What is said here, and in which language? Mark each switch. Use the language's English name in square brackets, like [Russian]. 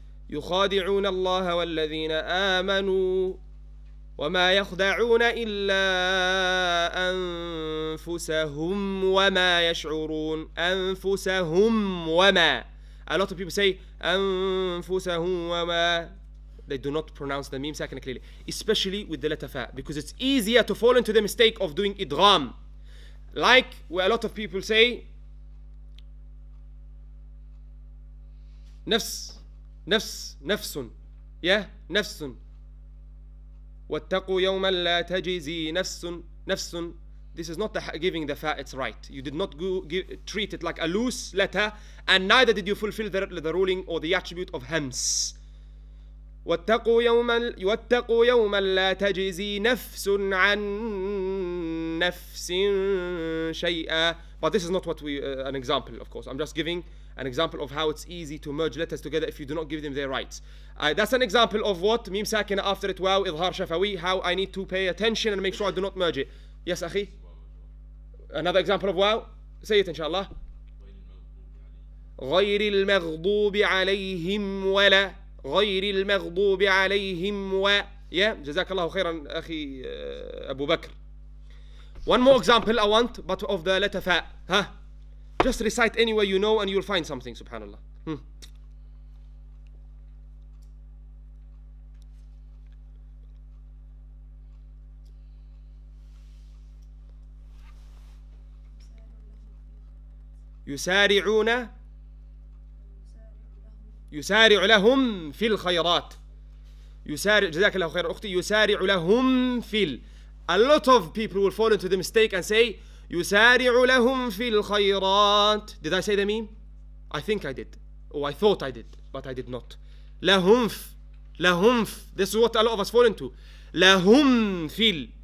[Arabic] يخادعون الله والذين آمنوا وما يخدعون إلا أنفسهم وما يشعرون. أنفسهم وما. [English] A lot of people say [Arabic] أنفسهم وما. [English] They do not pronounce the meme second clearly, especially with the letter fa, because it's easier to fall into the mistake of doing idgham. Like where a lot of people say [Arabic] نفس نفس نفس يا نفس واتقوا يوما لا تجزي نفس نفس. [English] This is not the giving the fa, it's right. You did not treat it like a loose letter, and neither did you fulfill the ruling or the attribute of hams. [Arabic] واتقوا يوما لا تجزي نفس عن نفس شيئا. [English] But this is not what we an example, of course. I'm just giving an example of how it's easy to merge letters together if you do not give them their rights. That's an example of what ميم ساكنة after it واو إظهار شفوي. How I need to pay attention and make sure I do not merge it. Yes, [Arabic] أخي. [English] Another example of واو. Say it, inshallah. [Arabic] غير المغضوب عليهم ولا غير المغضوب عليهم و. [English] Yeah. [Arabic] جزاك الله خيرا أخي أبو بكر. [English] One more example I want, but of the letter fa. Huh? Just recite anywhere you know and you'll find something, subhanAllah. [Arabic] يسارعون يسارع لهم في الخيرات. يسارع جزاك الله خير أختي. يسارع لهم في ال. [English] A lot of people will fall into the mistake and say [Arabic] يسارع لهم في الخيرات. [English] Did I say the meme? I think I did. Oh, I thought I did, but I did not. [Arabic] لهمف لهمف. [English] This is what a lot of us fall into. [Arabic] لهم في ال.